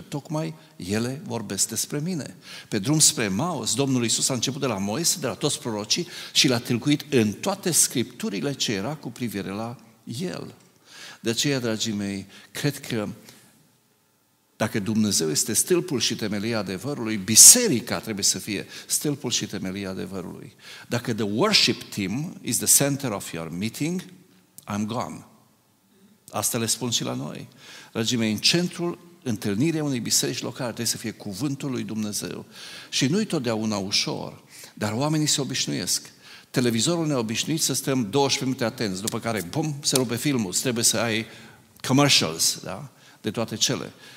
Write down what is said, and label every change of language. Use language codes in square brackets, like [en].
[ro] Tocmai ele vorbesc despre mine. Pe drum spre Maus, Domnul Iisus a început de la Moise, de la toți prorocii și l-a tâlcuit în toate Scripturile ce era cu privire la El. De aceea, dragii mei, cred că dacă Dumnezeu este stâlpul și temelia adevărului, biserica trebuie să fie stâlpul și temelia adevărului. Dacă [en] the worship team is the center of your meeting, I'm gone. [ro] Asta le spun și la noi. Dragii mei, în centrul întâlnirii unei biserici locale trebuie să fie cuvântul lui Dumnezeu. Și nu-i totdeauna ușor, dar oamenii se obișnuiesc. Televizorul neobișnuit să stăm 12 minute atenți, după care, bum, se rupe filmul, trebuie să ai commercials, da? De toate cele.